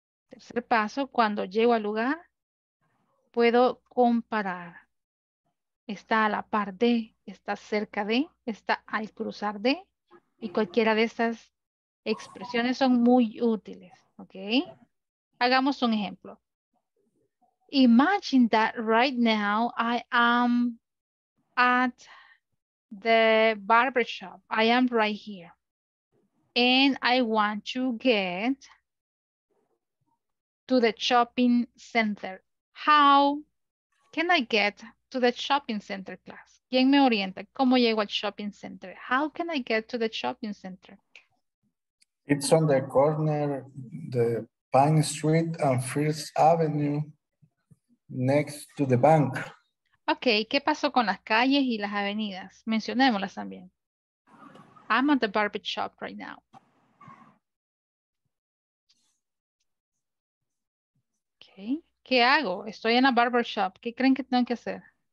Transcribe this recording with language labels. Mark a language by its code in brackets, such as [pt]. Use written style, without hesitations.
[es] Tercer paso, cuando llego al lugar, puedo comparar. Está a la par de, está cerca de, está al cruzar de. Y cualquiera de estas expresiones son muy útiles. ¿Ok? Hagamos un ejemplo. [en] Imagine that right now I am at the barbershop. I am right here. And I want to get to the shopping center. How can I get to the shopping center, class? [es] ¿Quién me orienta? ¿Cómo llego al shopping center? [en] How can I get to the shopping center? It's on the corner, the Pine Street and First Avenue, next to the bank. [es] Okay, ¿qué pasó con las calles y las avenidas? Mencionémoslas también. [en] I'm at the barber shop right now. [es] Okay. ¿Qué hago? Estoy en la barbershop. ¿Qué creen que tengo que hacer?